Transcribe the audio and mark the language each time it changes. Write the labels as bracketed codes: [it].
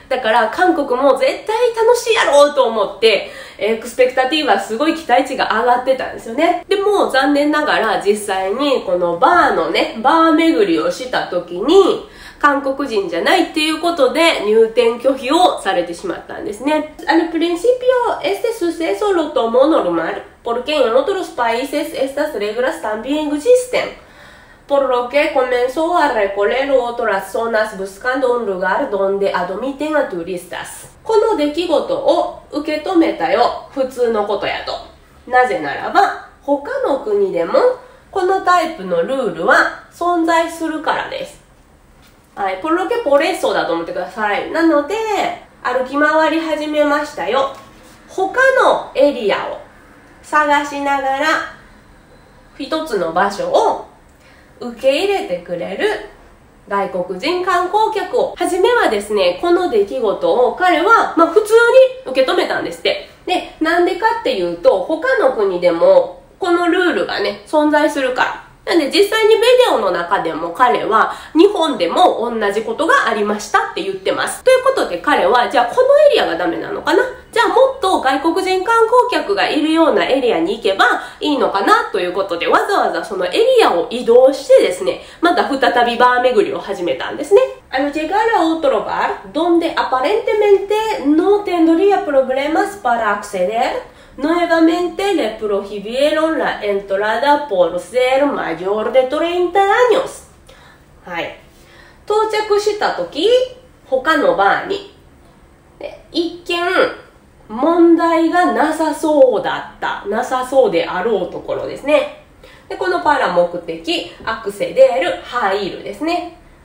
[ja] だから、韓国も絶対楽しいやろうと思って、エクスペクタティーはすごい期待値が上がってたんですよね。でも、残念ながら実際にこのバーのね、バー巡りをした時に、韓国人じゃないっていうことで入店拒否をされてしまったんですね。 [es] Al principio, este suceso lo tomó normal. Porque en otros países estas reglas también existen. Por lo que comenzó a recorrer otras zonas buscando un lugar donde admiten a turistas. [ja] この出来事を受け止めたよ。普通のことやと。なぜならば、他の国でもこのタイプのルールは存在するからです。はい。 [es] Por lo que por eso [ja] だと思ってください。なので、歩き回り始めましたよ。他のエリアを。探しながら一つの場所を受け入れてくれる外国人観光客を。はじめはですね、この出来事を彼は、まあ、普通に受け止めたんですって。で、なんでかっていうと、他の国でもこのルールがね、存在するから。なんで実際にビデオの中でも彼は日本でも同じことがありましたって言ってます。ということで彼はじゃあこのエリアがダメなのかな?じゃあもっと外国人観光客がいるようなエリアに行けばいいのかなということでわざわざそのエリアを移動してですね、また再びバー巡りを始めたんですね。 [es] Al llegar a otro bar, donde aparentemente no tendría problemas para accederNuevamente le prohibieron la entrada por ser mayor de 30 años. [ja] はい。到着したとき、他のバーに、一見、問題がなさそうだった。なさそうであろうところですね。で、このパラ目的、アクセデール、ハイルですね。